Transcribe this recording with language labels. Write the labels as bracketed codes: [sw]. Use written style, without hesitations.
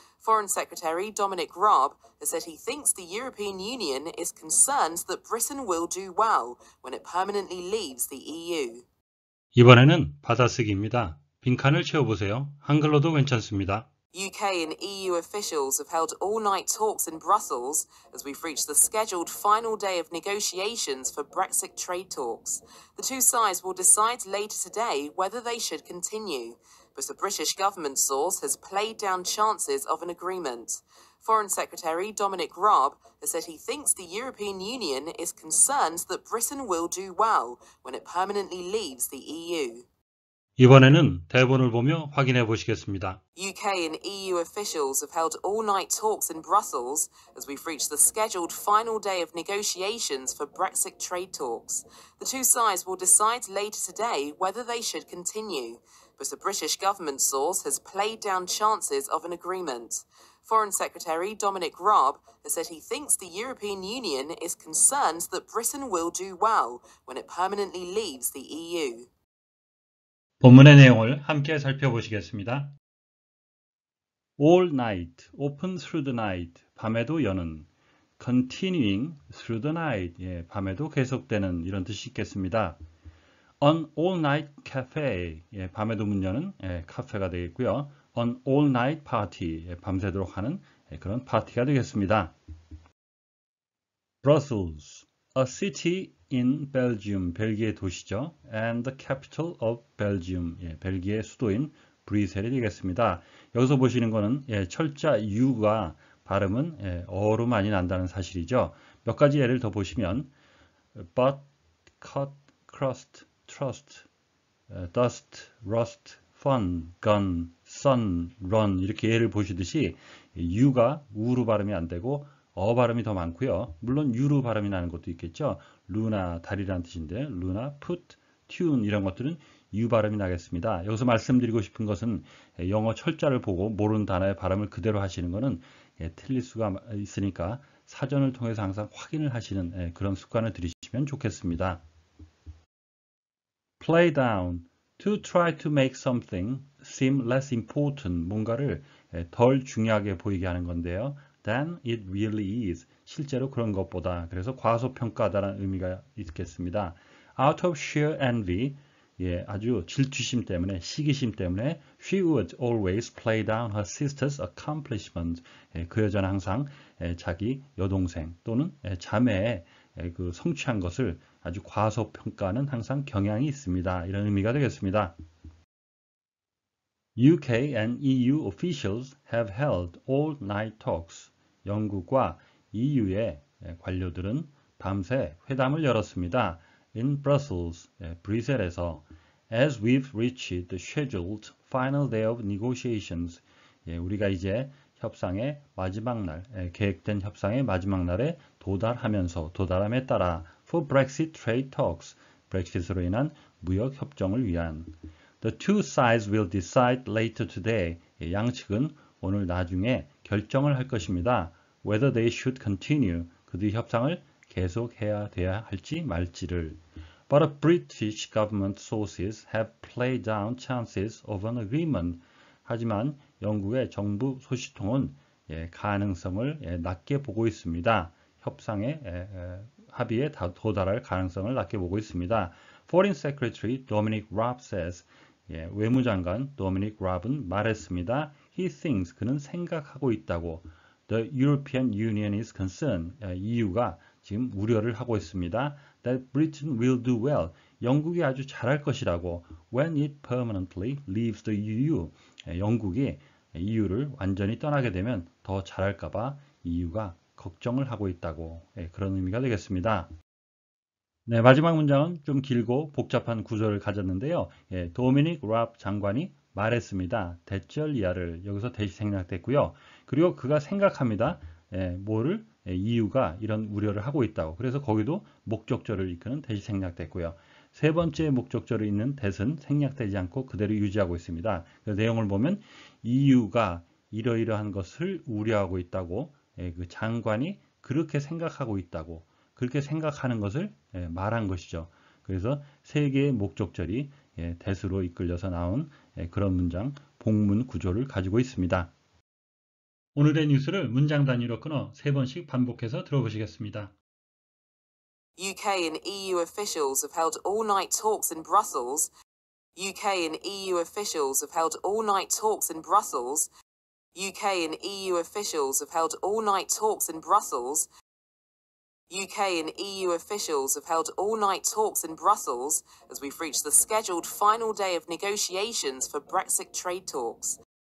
[en] Foreign Secretary Dominic Raab has said he thinks the European Union is concerned that Britain will do well when it permanently leaves the EU. [ko] 이번에는 받아쓰기입니다. 빈칸을 채워보세요. 한글로도 괜찮습니다. [en] UK and EU officials have held all-night talks in Brussels as we've reached the scheduled final day of negotiations for Brexit trade talks. The two sides will decide later today whether they should continue, but a British government source has played down chances of an agreement. Foreign Secretary Dominic Raab has said he thinks the European Union is concerned that Britain will do well when it permanently leaves the EU. [ko] 이번에는 대본을 보며 확인해 보시겠습니다. [en] UK and EU officials have held all-night talks in Brussels as we've reached the scheduled final day of negotiations for Brexit trade talks. The two sides will decide later today whether they should continue, but a British government source has played down chances of an agreement. Foreign Secretary Dominic Raab has said he thinks the European Union is concerned that Britain will do well when it permanently leaves the EU. [ko] 본문의 내용을 함께 살펴보시겠습니다. [en] All night, open through the night, [ko] 밤에도 여는, [en] continuing through the night, [ko] 예, 밤에도 계속되는 이런 뜻이 있겠습니다. [en] An all night cafe, [ko] 예, 밤에도 문 여는 예, 카페가 되겠고요. [en] An all night party, [ko] 예, 밤새도록 하는 예, 그런 파티가 되겠습니다. [en] Brussels, a city in Belgium, [ko] 벨기에 도시죠. [en] And the capital of Belgium, [ko] 예, 벨기에 수도인 브뤼셀이 되겠습니다. 여기서 보시는 거는 예, 철자 U가 발음은 예, 어로 많이 난다는 사실이죠. 몇 가지 예를 더 보시면 but, cut, crust, trust, dust, rust, fun, gun, sun, run 이렇게 예를 보시듯이 U가 우로 발음이 안 되고 어 발음이 더 많고요. 물론 유로 발음이 나는 것도 있겠죠. 루나 달이라는 뜻인데 루나, 풋, 튠 이런 것들은 유 발음이 나겠습니다. 여기서 말씀드리고 싶은 것은 영어 철자를 보고 모르는 단어의 발음을 그대로 하시는 것은 틀릴 수가 있으니까 사전을 통해서 항상 확인을 하시는 그런 습관을 들이시면 좋겠습니다. [en] Play down. To try to make something seem less important. [ko] 뭔가를 덜 중요하게 보이게 하는 건데요. [en] Than it really is. [ko] 실제로 그런 것보다. 그래서 과소평가하다는 의미가 있겠습니다. [en] Out of sheer envy. [ko] 예, 아주 질투심 때문에, 시기심 때문에 [en] she would always play down her sister's accomplishment. [ko] 예, 그 여자는 항상 자기 여동생 또는 자매의 그 성취한 것을 아주 과소평가하는 항상 경향이 있습니다. 이런 의미가 되겠습니다. [en] UK and EU officials have held all-night talks. [ko] 영국과 EU의 관료들은 밤새 회담을 열었습니다. [en] In Brussels, [ko] 브뤼셀에서 [en] As we've reached the scheduled final day of negotiations, [ko] 우리가 이제 협상의 마지막 날, 계획된 협상의 마지막 날에 도달하면서 도달함에 따라 [en] for Brexit trade talks, [ko] Brexit으로 인한 무역 협정을 위한 [en] The two sides will decide later today, [ko] 양측은 오늘 나중에 결정을 할 것입니다. [en] Whether they should continue, [ko] 그들이 협상을 계속해야 돼야 할지 말지를 [en] But a British government sources have played down chances of an agreement. [ko] 하지만 영국의 정부 소식통은 가능성을 낮게 보고 있습니다. 협상의 합의에 도달할 가능성을 낮게 보고 있습니다. [en] Foreign Secretary Dominic Raab says, [ko] 외무장관 Dominic Raab은 말했습니다. [en] He thinks, [ko] 그는 생각하고 있다고. [en] The European Union is concerned, [ko] EU가 지금 우려를 하고 있습니다. [en] That Britain will do well. [ko] 영국이 아주 잘할 것이라고. [en] When it permanently leaves the EU. [ko] 영국이 EU를 완전히 떠나게 되면 더 잘할까 봐 EU가 걱정을 하고 있다고. 그런 의미가 되겠습니다. 네, 마지막 문장은 좀 길고 복잡한 구조를 가졌는데요. Dominic Raab 장관이 말했습니다. 대절 이하를 여기서 대시 생략됐고요. 그리고 그가 생각합니다. 뭐를? EU가 이런 우려를 하고 있다고. 그래서 거기도 목적절을 이끄는 대시 생략됐고요. 세 번째 목적절을 있는 대신 생략되지 않고 그대로 유지하고 있습니다. 그 내용을 보면 EU가 이러이러한 것을 우려하고 있다고 그 장관이 그렇게 생각하고 있다고 그렇게 생각하는 것을 말한 것이죠. 그래서 세 개의 목적절이 대수로 이끌려서 나온 그런 문장 복문 구조를 가지고 있습니다. 오늘의 뉴스를 문장 단위로 끊어 세 번씩 반복해서 들어보시겠습니다. [en] UK and EU officials have held all-night talks in Brussels. UK and EU officials have held all-night talks in Brussels. UK and EU officials have held all-night talks in Brussels. UK and EU officials have held all-night talks in Brussels as we've reached the scheduled final day of negotiations for Brexit trade talks.